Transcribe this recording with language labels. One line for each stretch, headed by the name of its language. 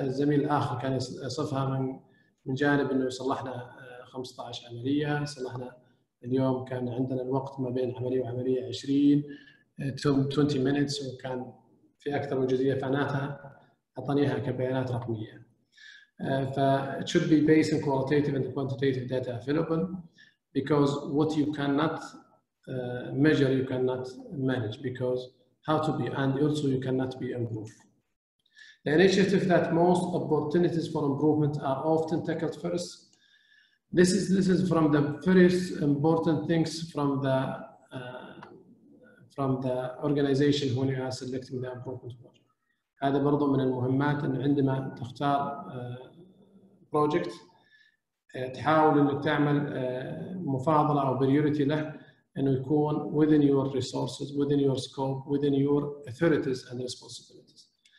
Arabic: الزميل الآخر كان يصفها من جانب أنه صلحنا 15 عملية، صلحنا اليوم كان عندنا الوقت ما بين عملية وعملية
English: 20 minutes
Arabic: وكان في أكثر من جزئية فعناتها أعطانيها كبيانات رقمية.
English: ف it should be based on qualitative and quantitative data available because what you cannot measure you cannot manage because how to be and also you cannot be improved. The initiative that most opportunities for improvement are often tackled first. This is from the first important things from the organization when you are selecting the improvement project.
Arabic: هذا برضو من المهمات أن عندما تختار project تحاول أنك تعمل مفاضلة أو priority له أنه يكون
English: within your resources, within your scope, within your authorities and responsibilities.